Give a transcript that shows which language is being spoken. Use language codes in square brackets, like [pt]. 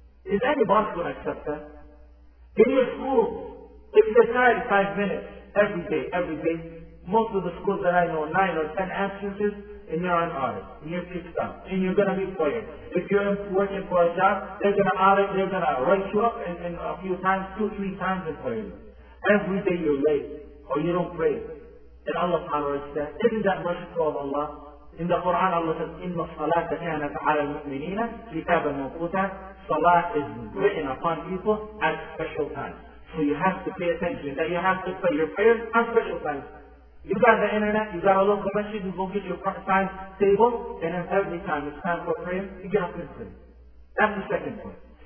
[en] Is any boss going to accept that? In your school, if you decide 5 minutes every day, most of the schools that I know, 9 or 10 absences, and you're on audit, and you're kicked out, and you're going to be fired. If you're working for a job, they're going to audit, they're going to write you up and a few times, 2-3 times and fire you. Every day you're late, or you don't pray. And Allah tolerates that. Isn't that merciful of Allah? In the Quran, Allah says, [ar] إِنَّ الصَّلَاةَ كَانَتْ عَلَى الْمُؤْمِنِينَ كِتَابًا مَوْقُوتًا. [en] Salah is written upon people at special times. So you have to pay attention that you have to pray your prayers at special times. You got the internet, you got a local message, you go get your part-time table, and then every time it's time for prayer, you get up and pray. That's the second point.